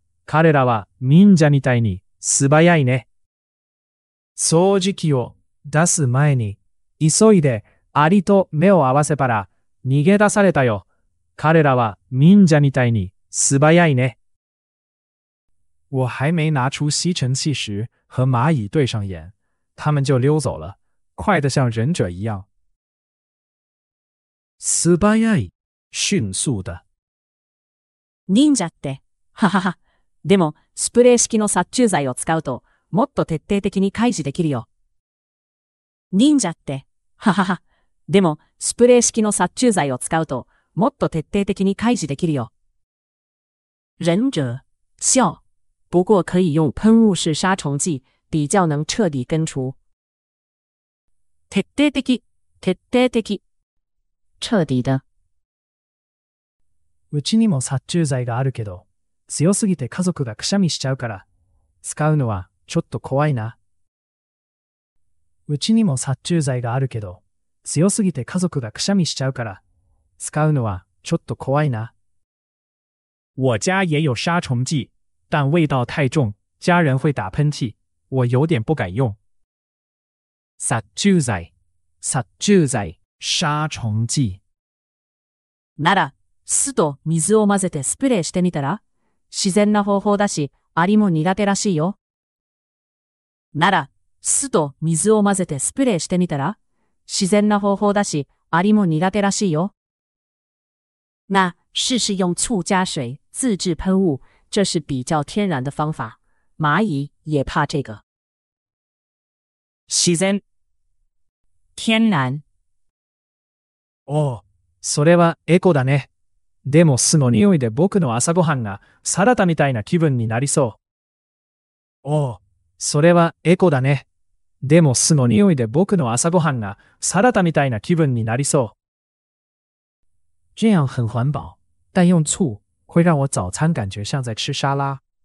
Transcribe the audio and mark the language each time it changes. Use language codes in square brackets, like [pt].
[ja] 彼らは忍者みたいに素早いね。掃除機を出す前に、急いでアリと目を合わせたら、逃げ出されたよ。彼らは忍者みたいに素早いね。 [zh] 我还没拿出吸尘器时，和蚂蚁对上眼，他们就溜走了，快得像忍者一样。素早い，迅速的。 [ja] 忍者って、哈哈哈。でも、スプレー式の殺虫剤を使うと、もっと徹底的に開示できるよ。忍者って、哈哈哈。でも、スプレー式の殺虫剤を使うと、もっと徹底的に開示できるよ。忍者、笑。 [zh] 不过可以用喷雾式杀虫剂，比较能彻底根除。 [ja] 徹底的、徹底的、 [zh] 彻底的。 [ja] うちにも殺虫剤があるけど、強すぎて家族がくしゃみしちゃうから、使うのはちょっと怖いな。うちにも殺虫剤があるけど、強すぎて家族がくしゃみしちゃうから、使うのはちょっと怖いな。 [zh] 我家也有杀虫剂。但味道太重，家人会打喷嚏，我有点不敢用。 [ja] 殺虫剤、殺虫剤、 [zh] 殺虫剂。 [ja] なら、酢と水を混ぜてスプレーしてみたら？自然な方法だし、アリも苦手らしいよ。なら、酢と水を混ぜてスプレーしてみたら？自然な方法だし、アリも苦手らしいよ。 [zh] 那试试用醋加水自制喷雾，这是比较天然的方法。蚂蚁也怕这个。 [ja] 自然、 [zh] 天然。 [ja] 哦，それはエコだね。でも酢の匂いで僕の朝ごはんがサラダみたいな気分になりそう。哦，それはエコだね。でも酢の匂いで僕の朝ごはんがサラダみたいな気分になりそう。 [zh] 这样很环保，但用醋会让我早餐感觉像在吃沙拉。